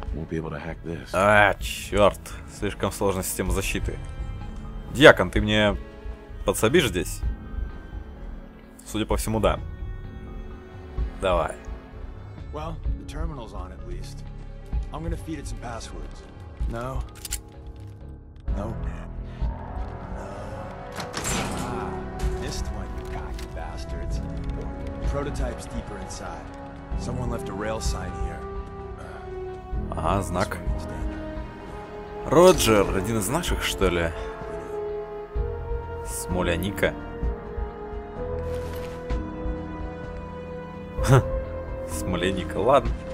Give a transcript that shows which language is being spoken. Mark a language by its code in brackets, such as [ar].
[ru] Черт, слишком сложная система защиты. Дьякон, ты мне подсобишь здесь? Судя по всему, да. Давай. [en] Well, the terminal's on at least. I'm gonna feed it some passwords. No. No. No. Missed one. Bastards. Prototypes deeper inside. Someone left a rail sign here. [ru] Ага, знак. Роджер, один из наших, что ли? Смоляника. Смоляника, ладно.